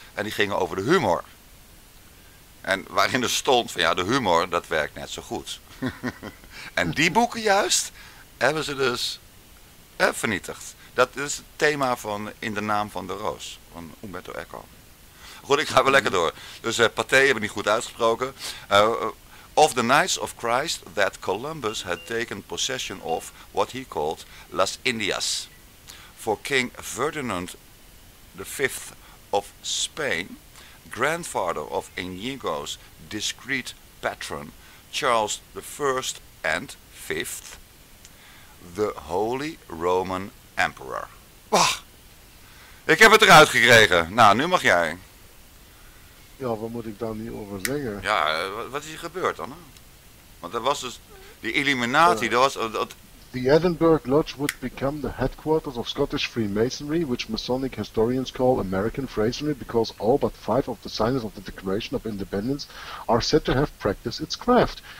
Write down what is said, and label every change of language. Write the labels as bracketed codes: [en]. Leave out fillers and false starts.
[nl] En die gingen over de humor. En waarin er stond van ja, de humor, dat werkt net zo goed. En die boeken juist hebben ze dus vernietigd. Dat is het thema van In de Naam van de Roos, van Umberto Eco. Goed, ik ga wel lekker door. Dus paté hebben we niet goed uitgesproken. [en] Of the Knights of Christ that Columbus had taken possession of what he called Las Indias. For King Ferdinand V of Spain, grandfather of Inigo's discreet patron, Charles I and V, the Holy Roman Emperor. [nl] Wacht, ik heb het eruit gekregen. Nou, nu mag jij. Ja, wat moet ik daar niet over zeggen? Ja, wat is hier gebeurd dan? Hè? Want er was dus die Illuminati, [en] The Edinburgh Lodge would become the headquarters of Scottish Freemasonry, which Masonic historians call American Freemasonry, because all but five of the signers of the Declaration of Independence are said to have practiced its craft.